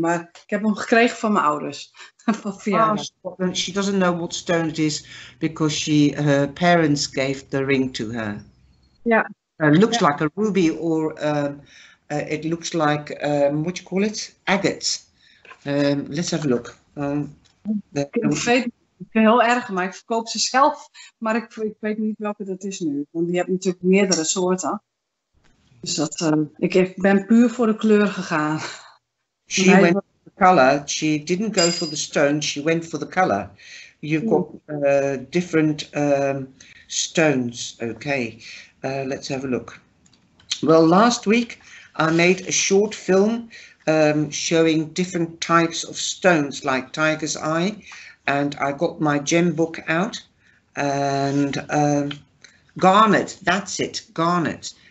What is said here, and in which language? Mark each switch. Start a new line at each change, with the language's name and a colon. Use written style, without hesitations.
Dutch: Maar ik heb hem gekregen van mijn ouders. Van Fiona.
English: She doesn't know what stone it is because her parents gave the ring to her. Yeah. It looks like a ruby or it looks like, what do you call it? Agate. Let's have a look.
Dutch: Ik vind heel erg, maar ik verkoop ze zelf. Maar ik weet niet welke dat is nu. Want je hebt natuurlijk meerdere soorten. Dus dat, ik ben puur voor de kleur gegaan.
English: She went for the color. She didn't go for the stone. She went for the color. You've got different stones. Okay. Let's have a look. Well, last week I made a short film showing different types of stones like tiger's eye, and I got my gem book out, and garnet, that's it, garnet.